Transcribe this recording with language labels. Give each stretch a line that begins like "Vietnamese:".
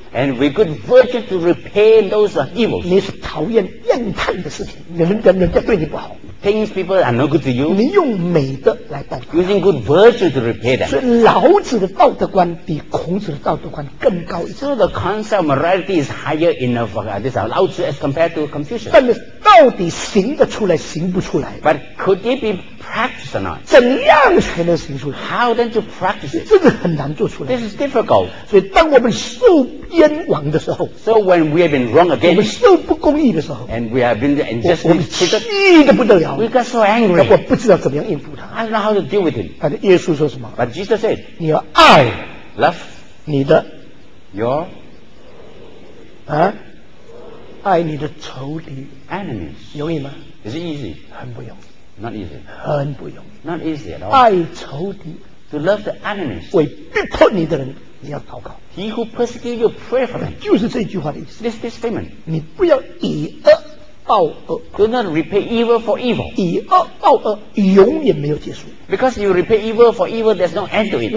English: And we could virtue to repay those evils.
Chinese: 你是讨厌厌叹的事情，人家对你不好。
English: Things people are not good to you.
Chinese: 你用美德来报答。
English: Using good virtue to repay them.
Chinese: 所以老子的道德观比孔子的道德观更高一
English: 层。So the concept of morality is higher enough for this. Lao Tzu as compared to Confucius.
Chinese: 但是到底行得出来，行不出来
English: ？But could it be practiced or not?
Chinese: 怎样才能行出来
English: ？How then to practice it?
Chinese: 这个很难做出来。
English: This is difficult.
Chinese: 所以当我们受冤枉的时候
English: ，So when we have been wrong again，
Chinese: 我们受不公义的时候
English: ，And we have been injustice treated，
Chinese: 气得不得了
English: ，We got so angry，
Chinese: 我不知道怎么样应付他
English: ，I don't know how to deal with him。
Chinese: 但是耶稣说什么
English: ？But Jesus said，
Chinese: 你要爱
English: ，love
Chinese: 你的
English: ，your
Chinese: 啊，爱你的仇敌
English: ，enemies，
Chinese: 容易吗
English: ？Is it easy？
Chinese: 很不容易
English: ，Not easy，
Chinese: 很不容易
English: ，Not easy at all。
Chinese: 爱仇敌
English: To love the enemies.
Chinese: 为逼迫你的人，你要祷告。
English: He who persecutes you, pray for them.
Chinese: 就是这句话的意思。
English: This statement.
Chinese: 你不要以恶报恶。
English: Do not repay evil for evil.
Chinese: 以恶报恶，永远没有结束。
English: Because you repay evil for evil, there's no end to it.